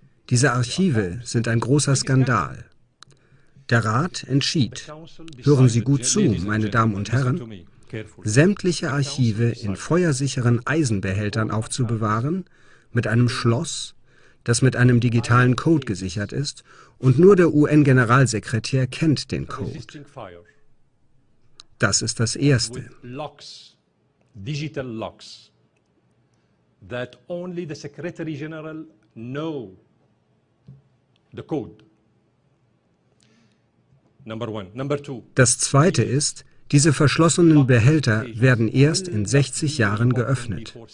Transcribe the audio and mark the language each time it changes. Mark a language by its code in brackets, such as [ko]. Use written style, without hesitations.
[de] Diese Archive sind ein großer Skandal. Der Rat entschied, hören Sie gut zu, meine Damen und Herren, sämtliche Archive in feuersicheren Eisenbehältern aufzubewahren, mit einem Schloss, das mit einem digitalen Code gesichert ist, und nur der UN-Generalsekretär kennt den Code. Das ist das Erste. [en] Digital locks that only the Secretary General know the code. Number one. Number two. [de] Das Zweite ist, diese verschlossenen Behälter werden erst in 60 Jahren geöffnet.